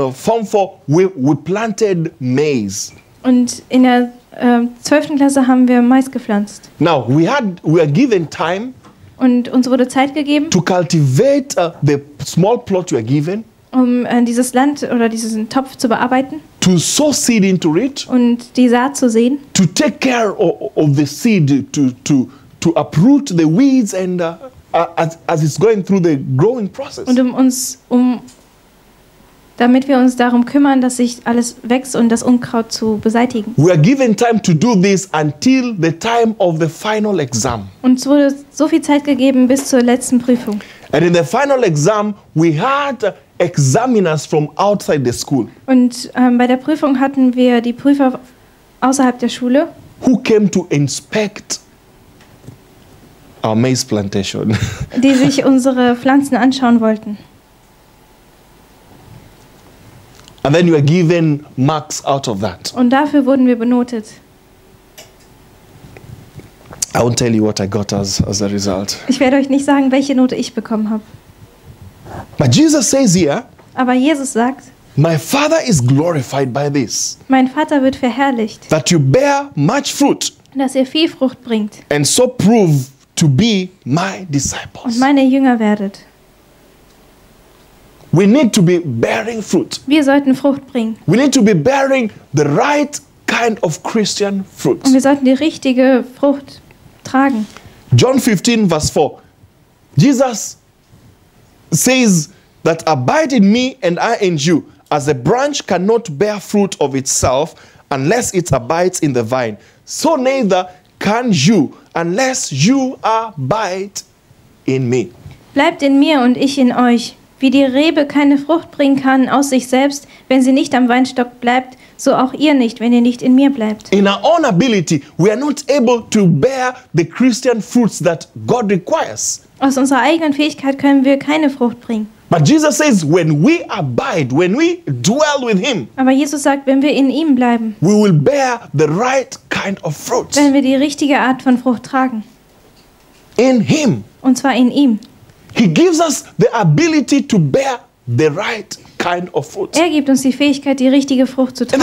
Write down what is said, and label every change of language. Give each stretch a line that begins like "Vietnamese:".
English: In the 12th class, in Form 4, we planted maize.
German: Und in der 12. Klasse haben wir Mais gepflanzt.
English: Now, we are given time.
German: Und uns wurde Zeit gegeben.
English: To cultivate the small plot we are given.
German: Um dieses Land oder diesen Topf zu bearbeiten.
English: To sow seed into it.
German: Und die Saat zu sehen.
English: To take care of the seed to uproot the weeds and as it's going through the growing process.
German: Und damit wir uns darum kümmern, dass sich alles wächst und das Unkraut zu beseitigen.
English: We are given time to do this until the time of the final exam.
German: Und es wurde so viel Zeit gegeben bis zur letzten Prüfung.
English: And in the final exam, we had examiners from outside the school.
German: Und bei der Prüfung hatten wir die Prüfer außerhalb der Schule.
English: Who came to inspect our maize plantation.
German: Die sich unsere Pflanzen anschauen wollten.
English: And then you are given marks out of that.
German: Und dafür wurden wir benotet.
English: I won't tell you what I got as a result.
German: Ich werde euch nicht sagen, welche Note ich bekommen habe.
English: But Jesus says here.
German: Aber Jesus sagt.
English: My Father is glorified by this.
German: Mein Vater wird verherrlicht.
English: That you bear much fruit.
German: Dass ihr viel Frucht bringt.
English: And so prove to be my disciples.
German: Und meine Jünger werdet.
English: We need to be bearing fruit.
German: Wir sollten Frucht bringen.
English: We need to be bearing the right kind of Christian fruit.
German: Und wir sollten die richtige Frucht tragen.
English: John 15 verse 4. Jesus says that abide in me and I in you, as a branch cannot bear fruit of itself unless it abides in the vine, so neither can you unless you abide in me.
German: Bleibt in mir und ich in euch. Wie die Rebe keine Frucht bringen kann aus sich selbst, wenn sie nicht am Weinstock bleibt, so auch ihr nicht, wenn ihr nicht in mir bleibt.
English: In our own ability, we are not able to bear the Christian fruits that God requires.
German: Aus unserer eigenen Fähigkeit können wir keine Frucht bringen.
English: But Jesus says, when we abide, when we dwell with him.
German: Aber Jesus sagt, wenn wir in ihm bleiben.
English: We will bear the right kind of fruit.
German: Wenn wir die richtige Art von Frucht tragen.
English: In him.
German: Und zwar in ihm.
English: He gives us the ability to bear the right kind of fruit.
German: Er gibt uns die Fähigkeit, die richtige Frucht zu tragen.